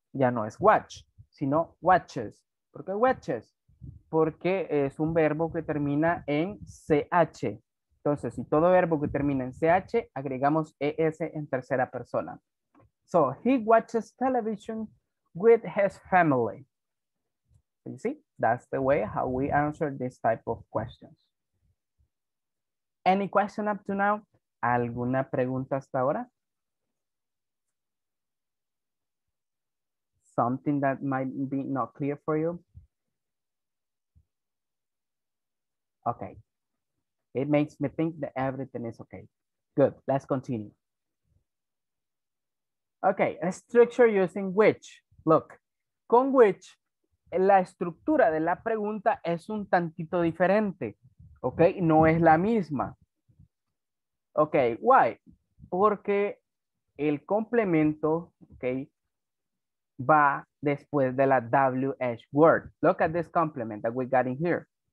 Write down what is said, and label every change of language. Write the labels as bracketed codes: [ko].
[es] Ya no es watch, sino watches. ¿Por qué watches? Porque es un verbo que termina en ch. Entonces, si todo verbo que termina en ch, agregamos es en tercera persona. [en] So, he watches television with his family. You see, that's the way how we answer this type of questions. Any question up to now? [es] ¿Alguna pregunta hasta ahora? [en] Something that might be not clear for you? Okay. It makes me think that everything is okay. Good, let's continue. Okay, a structure using which. Look, [es] con which, la estructura de la pregunta es un tantito diferente. Okay, no es la misma. [en] Okay, why? [es] Porque el complemento, okay, va después de la WH word. [en] Look at this complement that we got in here.